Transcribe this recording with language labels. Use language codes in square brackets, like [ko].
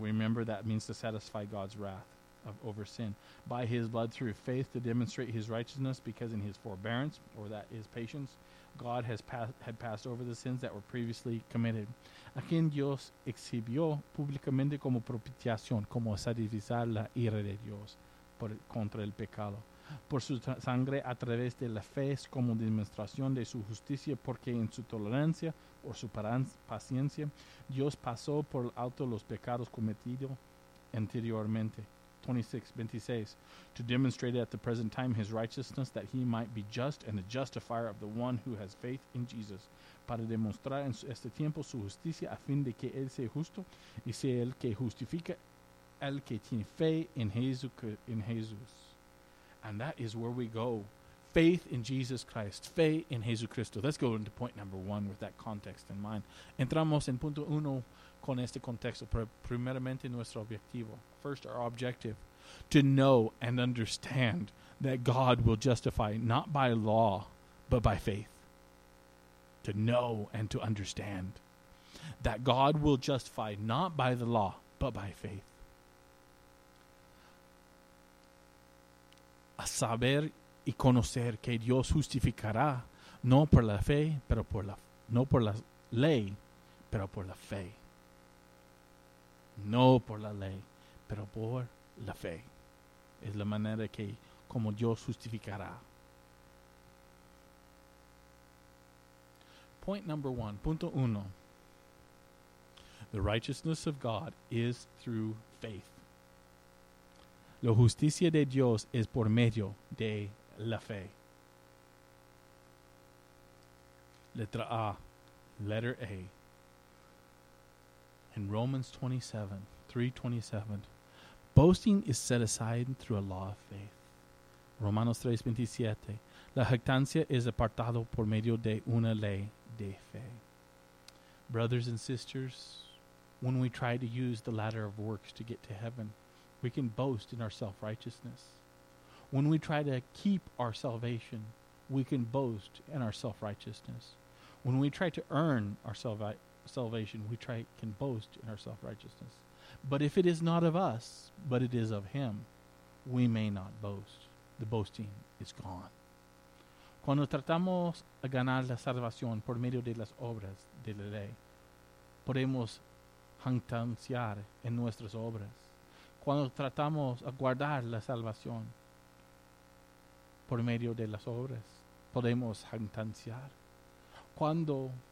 [en] Remember, that means to satisfy God's wrath over sin. By his blood through faith to demonstrate his righteousness, because in his forbearance, or that is patience, God had passed over the sins that were previously committed. [es] A quien Dios exhibió públicamente como propiciación, como satisfacer la ira de Dios contra el pecado. Por su sangre a través de la fe es como demostración de su justicia, porque en su tolerancia o su paciencia Dios pasó por alto los pecados cometidos anteriormente. [en] 26, to demonstrate at the present time his righteousness, that he might be just and the justifier of the one who has faith in Jesus. [es] Para demostrar en este tiempo su justicia, a fin de que él sea justo y sea el que justifica el que tiene fe en Jesús. [en] And that is where we go. Faith in Jesus Christ. [es] Fe en Jesucristo. [en] Let's go into point number one with that context in mind. [es] Entramos en punto uno con este contexto. Primeramente nuestro objetivo. [en] First, our objective. To know and understand that God will justify not by law, but by faith. To know and to understand that God will justify not by the law, but by faith. [es] A saber y conocer que Dios justificará no por la fe, pero por la no por la ley, pero por la fe. No por la ley, pero por la fe. Es la manera que como Dios justificará. [en] Point number one. [es] Punto uno. [en] The righteousness of God is through faith. [es] La justicia de Dios es por medio de la fe. Letra A. [en] Letter A. In Romans 3:27. Boasting is set aside through a law of faith. [es] Romanos 3:27. La jactancia es apartado por medio de una ley de fe. [en] Brothers and sisters, when we try to use the ladder of works to get to heaven, we can boast in our self-righteousness. When we try to keep our salvation, we can boast in our self-righteousness. When we try to earn our salvation, we can boast in our self-righteousness. But if it is not of us, but it is of him, we may not boast. The boasting is gone. [es] Cuando tratamos a ganar la salvación por medio de las obras de la ley, podemos jactanciar en nuestras obras. Cuando tratamos a guardar la salvación por medio de las obras, podemos jactanciar. Cuando